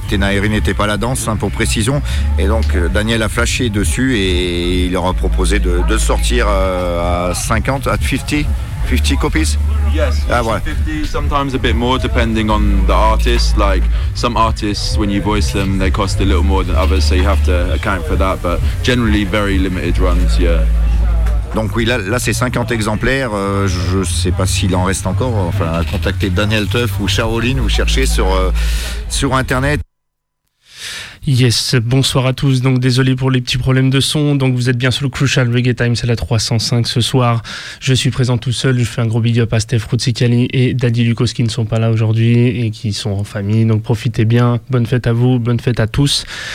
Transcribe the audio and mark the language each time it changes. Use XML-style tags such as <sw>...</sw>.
<fr>Tena et Ri n'était pas la danse, hein, pour précision. Et donc Daniel a flashé dessus et il leur a proposé de sortir à 50 copies? Yes, voilà.</fr> <en>50, sometimes a bit more depending on the artist. Like some artists, when you voice them, they cost a little more than others, so you have to account for that. But generally, very limited runs, yeah.</en> <fr>Donc oui, là c'est 50 exemplaires, je sais pas s'il en reste encore, enfin contactez Daniel Tuff ou Shaolin, vous cherchez sur internet. Yes, bonsoir à tous, donc désolé pour les petits problèmes de son, donc vous êtes bien sur le Crucial Reggae Time, c'est la 305 ce soir, je suis présent tout seul, je fais un gros big up à Steph Rutsikali et Daddy Lucos qui ne sont pas là aujourd'hui et qui sont en famille, donc profitez bien, bonne fête à vous, bonne fête à tous.</fr>